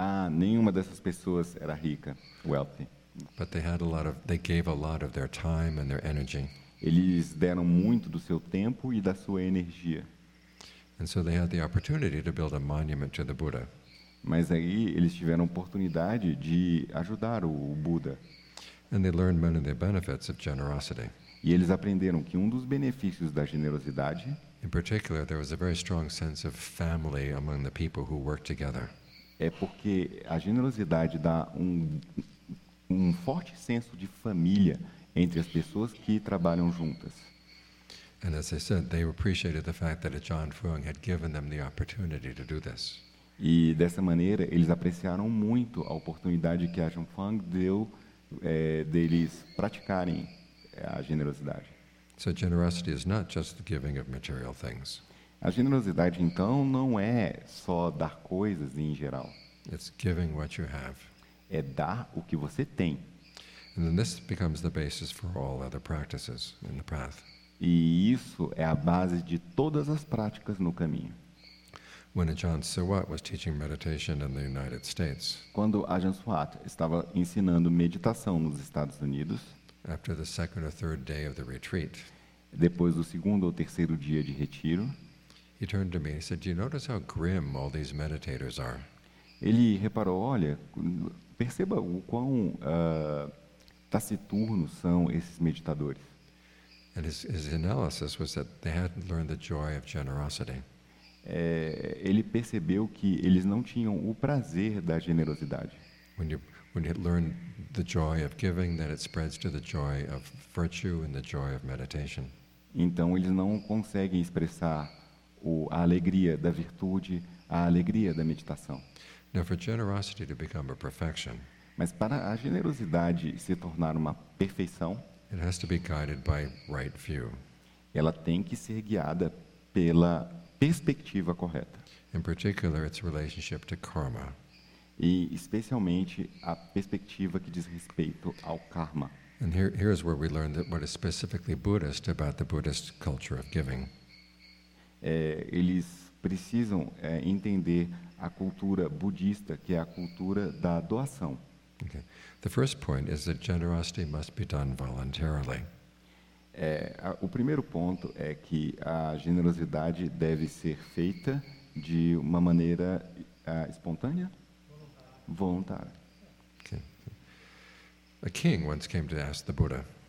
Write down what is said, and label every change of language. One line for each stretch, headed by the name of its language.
Portuguese: Nenhuma dessas pessoas era rica,
English: wealthy. But they had a lot of, they gave a lot of their time and their energy.
Portuguese: Eles deram muito do seu tempo e da sua energia.
English: And so they had the opportunity to build a monument to the Buddha.
Portuguese: Mas aí eles tiveram a oportunidade de ajudar o Buda.
English: And they learned many of the benefits of generosity.
Portuguese: E eles aprenderam que um dos benefícios da generosidade,
English: in particular, there was a very strong sense of family among the people who worked together.
Portuguese: É porque a generosidade dá um forte senso de família entre as pessoas que trabalham juntas.
English: And as I said, they appreciated the fact that John Fung had given them the opportunity to do this.
Portuguese: E dessa maneira eles apreciaram muito a oportunidade que a Ajahn Fung deu deles praticarem a generosidade.
English: So generosity is not just the giving of material things.
Portuguese: A generosidade então não é só dar coisas em geral.
English: It's giving what you have.
Portuguese: É dar o que você tem.
English: And then this becomes the basis for all other practices in the path.
Portuguese: E isso é a base de todas as práticas no caminho.
English: When Ajahn Sawat was teaching meditation in the United States.
Portuguese: Quando Ajahn Sawat estava ensinando meditação nos Estados Unidos.
English: After the second or third day of the retreat.
Portuguese: Depois do segundo ou terceiro dia de retiro.
English: He turned to me and said, "Do you notice how grim all these meditators are?"
Portuguese: Ele reparou, olha, perceba o quão taciturnos são esses meditadores.
English: And his analysis was that they hadn't learned the joy of generosity.
Portuguese: Ele percebeu que eles não tinham o prazer da generosidade.
English: When you learn the joy of giving, then it spreads to the joy of virtue and the joy of meditation.
Portuguese: Então eles não conseguem expressar a alegria da virtude, a alegria da meditação.
English: Now for generosity to become a perfection,
Portuguese: mas para a generosidade se tornar uma perfeição,
English: it has to be guided by right view.
Portuguese: Ela tem que ser guiada pela perspectiva correta.
English: In particular, its relationship to karma.
Portuguese: E especialmente a perspectiva que diz respeito ao karma.
English: And here is where we learn that what is specifically Buddhist about the Buddhist culture of giving.
Portuguese: Eles precisam entender a cultura budista, que é a cultura da doação.
English: Okay. The first point is that generosity must be done voluntarily.
Portuguese: O primeiro ponto é que a generosidade deve ser feita de uma maneira espontânea, voluntária.
English: A king once came to ask the Buddha.